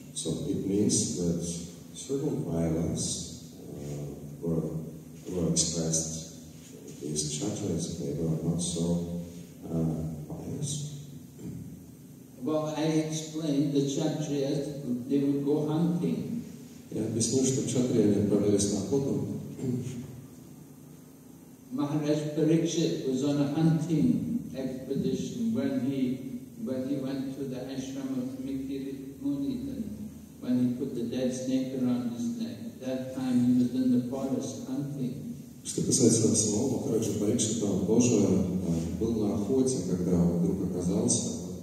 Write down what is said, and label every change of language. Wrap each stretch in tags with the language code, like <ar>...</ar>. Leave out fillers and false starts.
<en>So it means that certain violence were expressed in these kshatriyas, they were not so pious. Well, I explained the kshatriyas, they would go hunting.</en> <ru>Я объяснил, что кшатрия отправились на охоту.</ru> <en>Maharaj Parikshit was on a hunting expedition when he went to the ashram of Mikiri Muni, when he put the dead snake around his neck. That time he was in the forest hunting.</en> <ru>Что касается самого Махараджа Парикшита, он тоже был на охоте, когда он вдруг оказался.</ru>